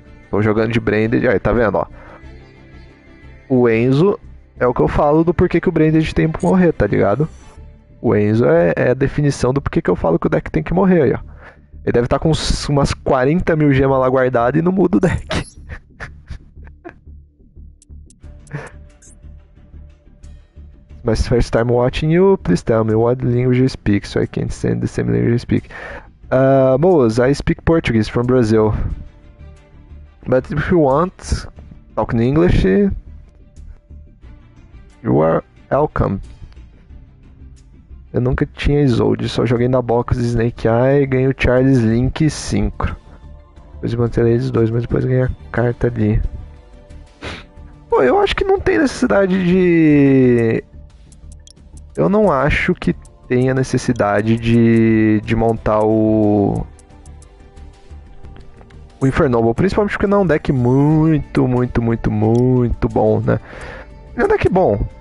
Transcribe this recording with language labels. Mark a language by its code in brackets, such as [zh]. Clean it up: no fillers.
[pt] Tô jogando de Branded, aí tá vendo, ó. O Enzo é o que eu falo do porquê que o Branded tem que morrer, tá ligado? O Enzo é a definição do porquê que eu falo que o deck tem que morrer, aí, ó. Ele deve estar com umas 40 mil gemas lá guardadas e não muda o deck. [en] Mas first time watching you, please tell me what language you speak, so I can send the same language you speak. Moos, I speak Portuguese from Brazil. But if you want, talk in English, you are welcome. [pt] Eu nunca tinha Isolde, só joguei na box de Snake Eye e ganhei o Charles Link 5. Depois eu manterei eles dois, mas depois ganhei a carta ali. Pô, eu acho que não tem necessidade de... Eu não acho que tenha necessidade de montar o Infernoble, principalmente porque não é um deck muito, muito, muito, muito bom, né? Ele é um deck bom.